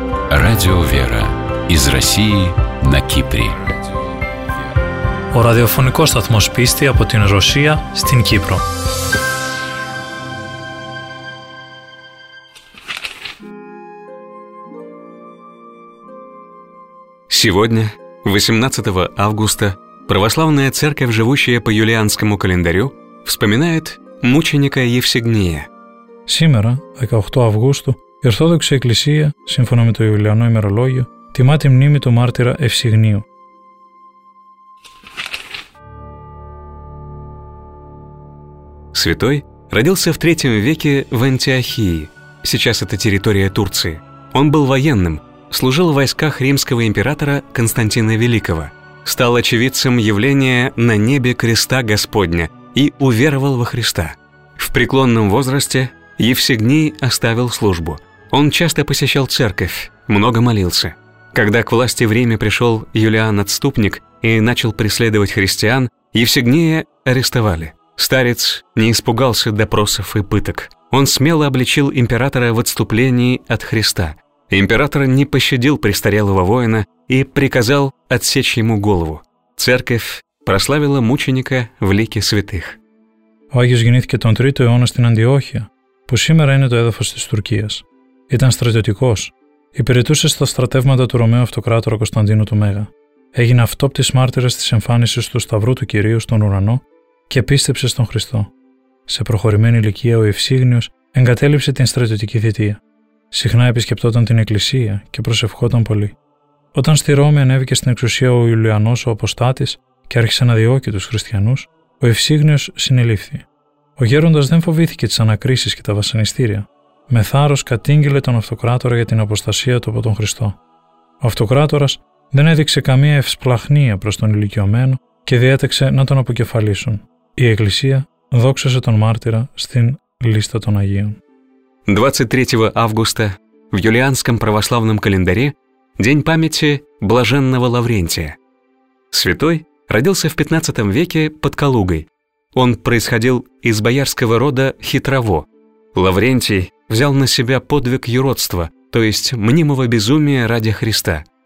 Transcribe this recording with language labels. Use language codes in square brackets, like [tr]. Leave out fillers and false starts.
[ru] Радио «Вера» из России на Кипре. [el] Ο ραδιοφωνικός σταθμός πίστη από την Ρωσία στην Κύπρο. [ru] Сегодня, 18 августа, православная церковь, живущая по юлианскому календарю, вспоминает мученика Евсигния. Сегодня, 18 августа, [el] η Ορθόδοξη Εκκλησία, σύμφωνα με το Ιουλιανό ημερολόγιο, τιμά τη μνήμη του μάρτυρα Ευσιγνίου. [ru] Святой родился в III веке в Антиохии, сейчас это территория Турции. Он был военным, служил в войсках римского императора Константина Великого, стал очевидцем явления на небе креста Господня и уверовал во Христа. В преклонном возрасте Евсигний оставил службу. Он часто посещал церковь, много молился. Когда к власти в Риме пришел Юлиан Отступник и начал преследовать христиан, Евсигния арестовали. Старец не испугался допросов и пыток. Он смело обличил императора в отступлении от Христа. Император не пощадил престарелого воина и приказал отсечь ему голову. Церковь прославила мученика в лике святых. [el] Ο Άγιος γεννήθηκε τον 3ο αιώνα στην Αντιόχεια, που σήμερα είναι το έδαφος της Τουρκίας. Ήταν στρατιωτικός. Υπηρετούσε στα στρατεύματα του Ρωμαίου Αυτοκράτορα Κωνσταντίνου του Μέγα. Έγινε αυτόπτης μάρτυρας της εμφάνισης του Σταυρού του Κυρίου στον ουρανό και πίστεψε στον Χριστό. Σε προχωρημένη ηλικία ο Ευσίγνιος εγκατέλειψε την στρατιωτική θητεία. Συχνά επισκεπτόταν την εκκλησία και προσευχόταν πολύ. Όταν στη Ρώμη ανέβηκε στην εξουσία ο Ιουλιανός ο Αποστάτης και άρχισε να διώκει τους χριστιανούς, ο Ευσίγνιος συνελήφθη. Ο γέροντας δεν φοβήθηκε τις ανακρίσεις και τα βασανιστήρια. Με θάρρος κατήγγειλε τον Αυτοκράτορα για την αποστασία του από τον Χριστό. Ο Αυτοκράτορας δεν έδειξε καμία ευσπλαχνία προς τον ηλικιωμένο και διέταξε να τον αποκεφαλίσουν. Η Εκκλησία δόξασε τον μάρτυρα στην λίστα των Αγίων. 23 Αύγουστα, [ru] в юлианском православном календаре, день памяти блаженного Лаврентия. Святой родился в 15 веке под Калугой. Он происходил из боярского рода Хитрово. Лаврентий взял на себя подвиг юродства, то есть мнимого безумия ради Христа.